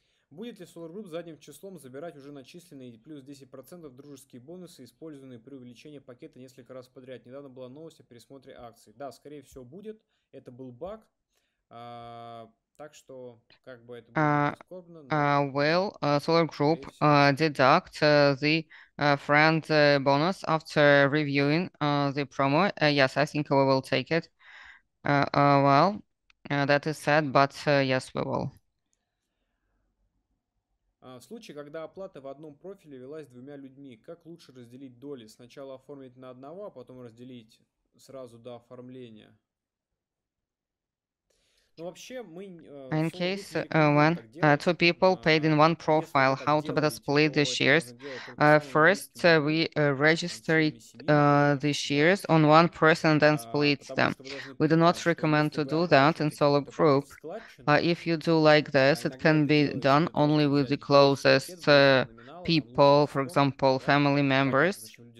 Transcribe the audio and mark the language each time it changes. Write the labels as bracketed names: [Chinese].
[Russian] Будет ли SolarGroup задним числом забирать уже начисленные плюс 10% дружеские бонусы, использованные при увеличении пакета несколько раз подряд? Недавно была новость о пересмотре акций. Да, скорее всего, будет. Это был баг. Так что, как бы это было прискорбно. Но... [English] Well, SolarGroup deduct the friend bonus after reviewing the promo. Yes, I think we will take it. Well, that is sad, but yes, we will. [Russian] Случай, когда оплата в одном профиле велась двумя людьми, как лучше разделить доли? Сначала оформить на одного, а потом разделить сразу до оформления? Ну, вообще, мы... [English] In case when two people paid in one profile, how to better split the shares? First, we register the shares on one person and then split them. We do not recommend to do that in solo group. If you do like this, it can be done only with the closest people, for example, family members.